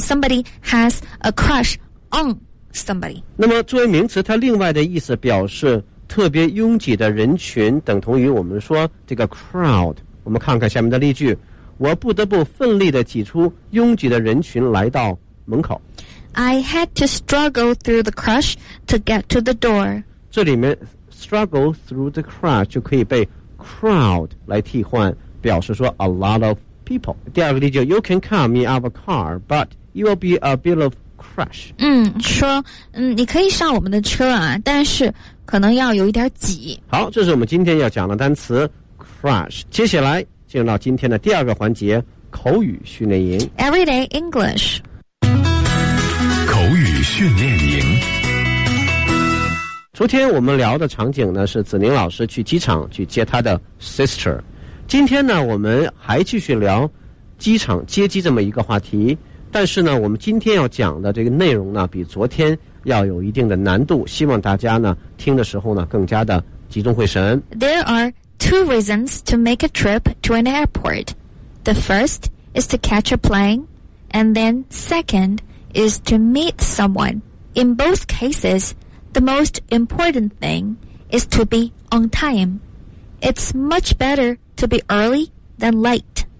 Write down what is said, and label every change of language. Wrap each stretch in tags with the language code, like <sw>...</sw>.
<en>somebody has a crush on somebody。</en> <zh>那么作为名词，它另外的意思表示特别拥挤的人群，等同于我们说这个 crowd。我们看看下面的例句，我不得不奋力地挤出拥挤的人群来到门口。</zh> <en>I had to struggle through the crush to get to the door。</en> <zh>这里面</zh> <en>struggle through the crush</en> <zh>就可以被 crowd 来替换，表示说</zh> <en>a lot of people。</en> <zh>第二个例句，</zh> <en>You can come in our car but it will be a bit of crush。</en> <zh>嗯，说嗯，你可以上我们的车啊，但是可能要有一点挤。好，这是我们今天要讲的单词 crush。接下来进入到今天的第二个环节，口语训练营。</zh> <en>Everyday English。</en> <zh>口语训练营。昨天我们聊的场景呢，是子宁老师去机场去接他的 sister。今天呢，我们还继续聊机场接机这么一个话题。但是呢，我们今天要讲的这个内容呢，比昨天要有一定的难度。希望大家呢，听的时候呢，更加的集中会神。</zh> <en>There are two reasons to make a trip to an airport. The first is to catch a plane, and then second is to meet someone. In both cases, the most important thing is to be on time. It's much better to be early than late.</en>